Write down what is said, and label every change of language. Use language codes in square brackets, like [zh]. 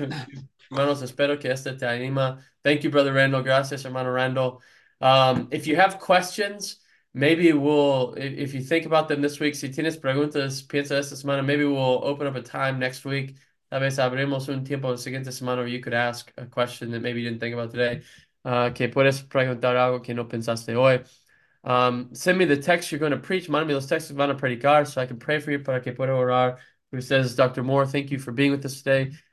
[en] encouragement to you. [es] Hermanos, espero que este te anima. [en] Thank you, Brother Randall. [es] Gracias, hermano Randall. [en] If you have questions, maybe we'll, if you think about them this week, [es] si tienes preguntas, piensa esta semana, [en] maybe we'll open up a time next week. [es] Tal vez abrimos un tiempo la siguiente semana [en] where you could ask a question that maybe you didn't think about today. [es] Que puedes preguntar algo que no pensaste hoy. [en] Send me the text you're going to preach. [es] Mándame los textos que van a predicar [en] so I can pray for you [es] para que pueda orar. [en] Who says, Dr. Moore, thank you for being with us today.